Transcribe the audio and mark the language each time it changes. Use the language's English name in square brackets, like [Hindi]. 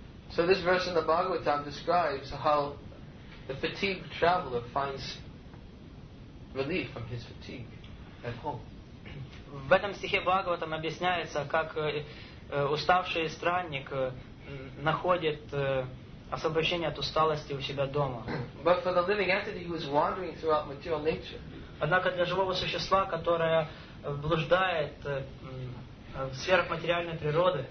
[English] So this verse in the Bhagavatam describes how the fatigued traveler finds relief from his fatigue at home. [Russian] В этом стихе Бхагаватам объясняется, как уставший странник находит освобождение от усталости у себя дома. [English] But for the living entity who is wandering throughout material nature. [Russian] Однако для живого существа, которое блуждает в сферах материальной природы,